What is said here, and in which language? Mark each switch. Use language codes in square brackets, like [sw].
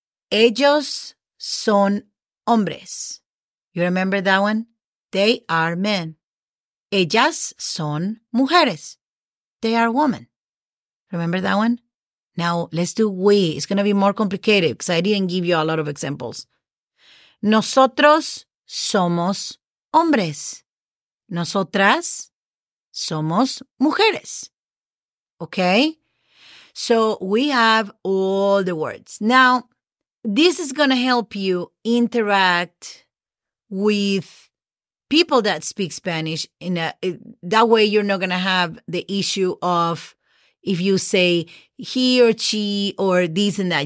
[es] Ellos son hombres. [en] You remember that one? They are men. [es] Ellas son mujeres. [en] They are women. Remember that one? Now, let's do we. It's going to be more complicated because I didn't give you a lot of examples. [es] Nosotros somos hombres. Nosotras somos mujeres. [en] Okay? So we have all the words. Now, this is going to help you interact with people that speak Spanish. That way, you're not going to have the issue of if you say he or she or this and that.